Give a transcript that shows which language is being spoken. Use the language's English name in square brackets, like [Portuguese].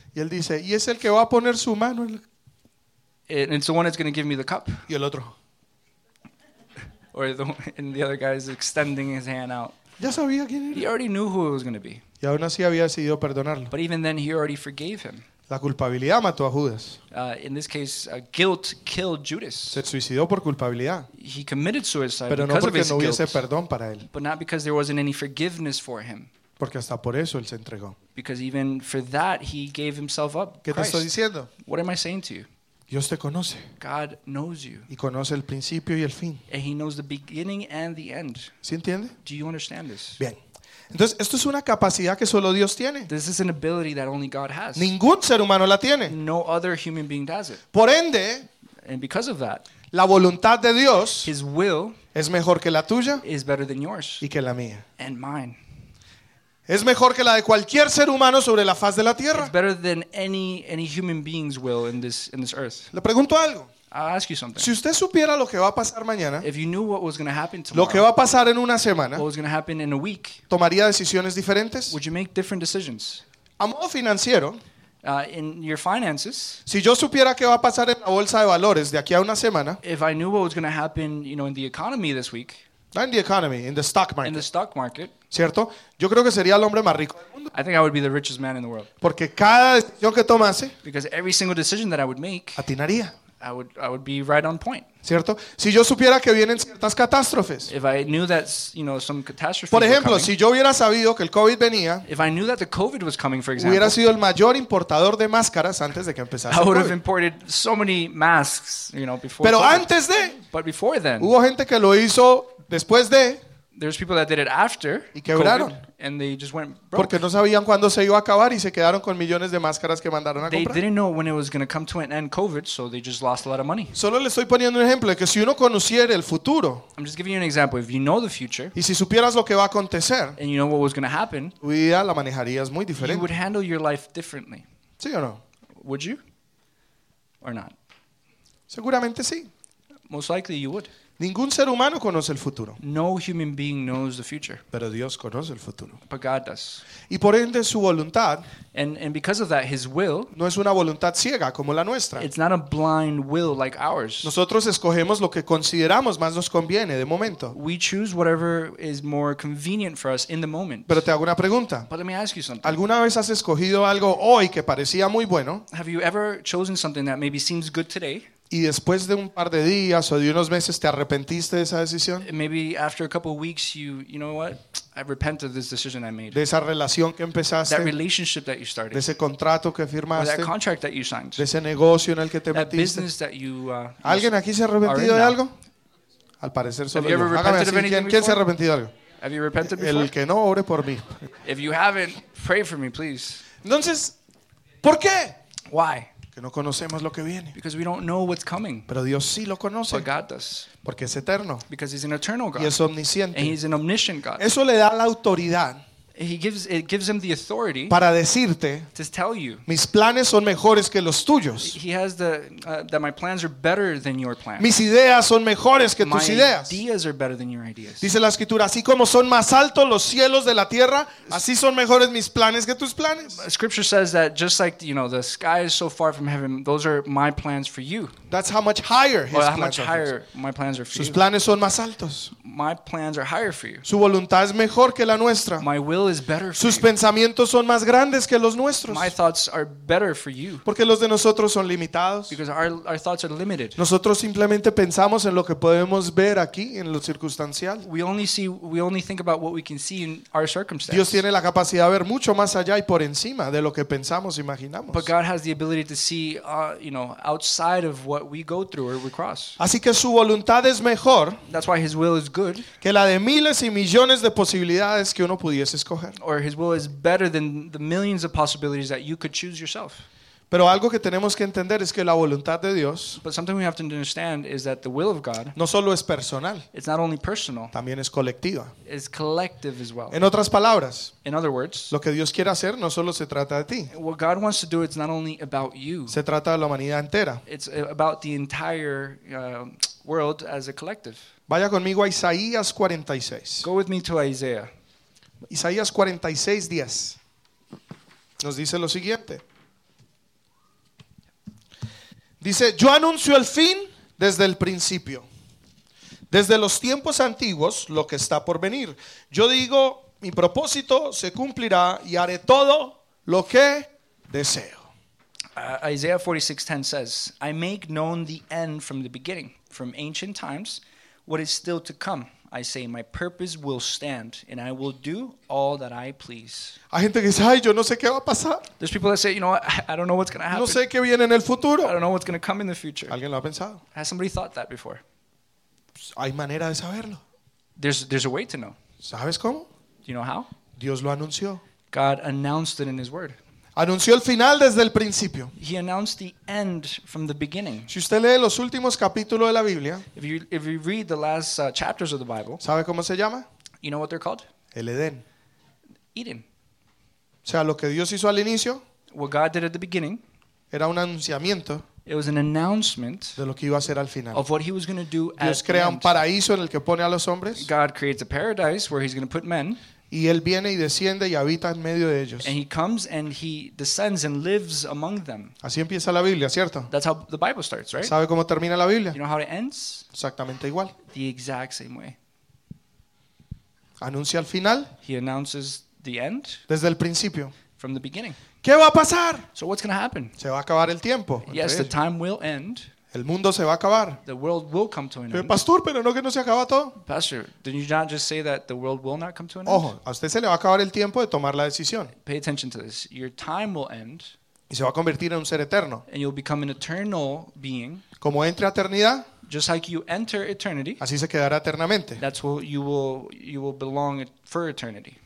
[Spanish] Y él dice, y es el que va a poner su mano en la... [English] And it's the one that's going to give me the cup. [Spanish] Y el otro. [English] Or the one, and the other guy is extending his hand out. [Spanish] Ya sabía quién era. [English] He already knew who it was going to be. [Spanish] Y aún así había decidido perdonarlo. [English] But even then, he already forgave him. [Spanish] La culpabilidad mató a Judas. [English] In this case, guilt killed Judas. [Spanish] Se suicidó por culpabilidad. [English] He committed suicide [Spanish] Pero [English] because [Spanish] no porque [English] of his [Spanish] no hubiese [English] guilt. [Spanish] Perdón para él. [English] But not because there wasn't any forgiveness for him. [Spanish] Porque hasta por eso él se entregó. [English] Because even for that, he gave himself up. [Spanish] ¿Qué [English] Christ. [Spanish] Te estoy diciendo? [English] What am I saying to you? [Spanish] Dios te conoce. [English] God knows you. [Spanish] Y conoce el principio y el fin. [English] And he knows the beginning and the end. [Spanish] ¿Sí entiende? [English] Do you understand this? [Spanish] Bien. Entonces, esto es una capacidad que solo Dios tiene. [English] This is an ability that only God has. [Spanish] Ningún ser humano la tiene. [English] No other human being does it. [Spanish] Por ende, [English] and because of that, [Spanish] la voluntad de Dios, [English] his will, [Spanish] es mejor que la tuya, [English] is better than yours, [Spanish] y que la mía. [English] And mine. [Spanish] Es mejor que la de cualquier ser humano sobre la faz de la tierra. [English] It's better than any human being's will in this earth. [Spanish] Le pregunto algo. [English] I'll ask you something. [Spanish] Si usted supiera lo que va a pasar mañana, [English] if you knew what was going to happen tomorrow, [Spanish] lo que va a pasar en una semana, [English] what was going to happen in a week, [Spanish] ¿tomaría decisiones diferentes? [English] Would you make different decisions? [Spanish] A modo financiero, [English] in your finances, [Spanish] si yo supiera qué va a pasar en la bolsa de valores de aquí a una semana, [English] if I knew what was going to happen, you know, in the economy this week, not in the economy, in the stock market. In the stock market. [Spanish] ¿Cierto? Yo creo que sería el hombre más rico del mundo. [English] I think I would be the richest man in the world. [Spanish] Porque cada decisión que tomase, [English] because every single decision that I would make, [Spanish] atinaría. [English] I would be right on point. [Spanish] ¿Cierto? Si yo supiera que vienen ciertas catástrofes. [English] If I knew that, you know, some catastrophes. [Spanish] Por ejemplo, [English] were coming, [Spanish] si yo hubiera sabido que el COVID venía, [English] if I knew that the COVID was coming, for example, [Spanish] hubiera sido el mayor importador de máscaras antes de que empezase el COVID. [English] I would have imported so many masks, you know, before. [Spanish] Pero [English] COVID. [Spanish] Antes de, [English] but before then, [Spanish] hubo gente que lo hizo después de. [English] There's people that did it after [Spanish] y quebraron. [English] COVID, and they just went broke. [Spanish] Porque no sabían cuándo se iba a acabar y se quedaron con millones de máscaras que mandaron a [English] they [Spanish] comprar. [English] They didn't know when it was going to come to an end, COVID, so they just lost a lot of money. [Spanish] Solo le estoy poniendo un ejemplo de que si uno conociera el futuro, [English] I'm just giving you an example. If you know the future, [Spanish] y si supieras lo que va a acontecer, [English] and you know what was going to happen, [Spanish] tu vida la manejarías muy diferente. [English] You would handle your life differently. [Spanish] ¿Sí o no? [English] Would you? Or not? [Spanish] Seguramente sí. [English] Most likely you would. [Spanish] Ningún ser humano conoce el futuro. [English] No human being knows the future. [Spanish] Pero Dios conoce el futuro. [English] But God does. [Spanish] Y por ende su voluntad, [English] and because of that, his will, [Spanish] no es una voluntad ciega como la nuestra. [English] It's not a blind will like ours. [Spanish] Nosotros escogemos lo que consideramos más nos conviene de momento. [English] We choose whatever is more convenient for us in the moment. [Spanish] Pero te hago una pregunta. [English] But let me ask you something. [Spanish] ¿Alguna vez has escogido algo hoy que parecía muy bueno? [English] Have you ever chosen something that maybe seems good today? [Spanish] Y después de un par de días o de unos meses te arrepentiste de esa decisión. [English] Maybe after a couple of weeks you know what? I repent of this decision I made. [Spanish] De esa relación que empezaste. [English] That relationship that you started. [Spanish] De ese contrato que firmaste. [English] Or that contract that you signed. [Spanish] De ese negocio en el que te [English] that [Spanish] metiste. [English] Business that you, [Spanish] ¿alguien aquí se ha arrepentido de algo? Al parecer solo yo. Hágame así, ¿quién se ha arrepentido de algo? [English] Have you repented before? [Spanish] El que no, ore por mí. [English] If you haven't, pray for me, please. [Spanish] Entonces, ¿por qué? [English] Why? [Spanish] Que no conocemos lo que viene. [English] Because we don't know what's coming. [Spanish] Pero Dios sí lo conoce. [English] But God does. [Spanish] Porque es eterno. [English] Because he's an eternal God. [Spanish] Y es omnisciente. [English] And he's an omniscient God. [Spanish] Eso le da la autoridad. [English] It gives him the authority [Spanish] para decirte, [English] to tell you, [Spanish] mis planes son mejores que los tuyos. [English] He has the that my plans are better than your plans. [Spanish] Mis ideas son mejores que tus ideas. [English] My ideas are better than your ideas. [Spanish] Dice la escritura, así como son más altos los cielos de la tierra, así son mejores mis planes que tus planes. [English] Scripture says that just like, you know, the sky is so far from heaven, those are my plans for you. That's how much higher his plans are. How much higher my plans are for [Spanish] sus [English] you. [Spanish] Sus planes son más altos. [English] My plans are higher for you. [Spanish] Su voluntad es mejor que la nuestra. [English] My will is better for [Spanish] sus [English] you. [Spanish] Pensamientos son más grandes que los nuestros. [English] My thoughts are better for you. [Spanish] Porque los de nosotros son limitados. [English] Because our thoughts are limited. [Spanish] Nosotros simplemente pensamos en lo que podemos ver aquí, en lo circunstancial. [English] We only think about what we can see in our circumstances. [Spanish] Dios tiene la capacidad de ver mucho más allá y por encima de lo que pensamos, imaginamos. [English] But God has the ability to see, you know, outside of what we go through or we cross. [Spanish] Así que su voluntad es mejor. [English] That's why his will is good. [Spanish] Que la de miles y millones de posibilidades que uno pudiese escoger. [English] Or his will is better than the millions of possibilities that you could choose yourself. [Spanish] Pero algo que tenemos que entender es que la voluntad de Dios, [English] but something we have to understand is that the will of God, [Spanish] no solo es personal, [English] it's not only personal, [Spanish] también es colectiva, [English] it's collective as well. [Spanish] En otras palabras, [English] in other words, [Spanish] lo que Dios quiere hacer no solo se trata de ti. [English] What God wants to do, it's not only about you. [Spanish] Se trata de la humanidad entera. [English] It's about the entire world as a collective. [Spanish] Vaya conmigo a Isaías 46. [English] Go with me to Isaiah. [Spanish] Isaías 46, 10 nos dice lo siguiente. Dice, yo anuncio el fin desde el principio, desde los tiempos antiguos lo que está por venir. Yo digo, mi propósito se cumplirá y haré todo lo que deseo. [English] Isaiah 46:10 says, I make known the end from the beginning, from ancient times, what is still to come. I say, my purpose will stand, and I will do all that I please. [Spanish] Hay gente que dice, ay, yo no sé qué va a pasar. [English] There's people that say, you know what, I don't know what's going to happen. [Spanish] No sé qué viene en el futuro. [English] I don't know what's going to come in the future. [Spanish] ¿Alguien lo ha pensado? [English] Has somebody thought that before? [Spanish] Pues hay manera de saberlo. [English] There's a way to know. [Spanish] ¿Sabes cómo? [English] Do you know how? [Spanish] Dios lo anunció. [English] God announced it in his word. [Spanish] Anunció el final desde el principio. [English] He announced the end from the beginning. [Spanish] Si usted lee los últimos capítulos de la Biblia, [English] if you read the last chapters of the Bible, [Spanish] ¿sabe cómo se llama? [English] You know what they're called? [Spanish] El Edén. [English] Eden. [Spanish] O sea, lo que Dios hizo al inicio, [English] what God did at the beginning, [Spanish] era un anunciamiento. [English] It was an announcement [Spanish] de lo que iba a hacer al final. [English] Of what he was going to do at the end. [Spanish] Dios crea un paraíso en el que pone a los hombres. [English] God creates a paradise where he's going to put men. [Spanish] Y él viene y desciende y habita en medio de ellos. [English] And he comes and he descends and lives among them. [Spanish] Así empieza la Biblia, ¿cierto? [English] That's how the Bible starts, right? [Spanish] ¿Sabe cómo termina la Biblia? [English] You know how it ends? [Spanish] Exactamente igual. [English] The exact same way. [Spanish] Anuncia al final. [English] He announces the end. [Spanish] Desde el principio. [English] From the beginning. [Spanish] ¿Qué va a pasar? [English] So what's going to happen? [Spanish] Se va a acabar el tiempo. [English] Yes, the time will end. [Spanish] El mundo se va a acabar. [English] The world will come to an end. [Spanish] Pastor, pero no que no se acaba todo. [English] Pastor, did you not just say that the world will not come to an end? [Spanish] Ojo, a usted se le va a acabar el tiempo de tomar la decisión. [English] Pay attention to this. Your time will end. [Spanish] Y se va a convertir en un ser eterno. [English] And you'll become an eternal being. [Spanish] Como entre a eternidad. [English] Just like you enter eternity. [Spanish] Así se quedará eternamente. [English] That's where you will belong for eternity.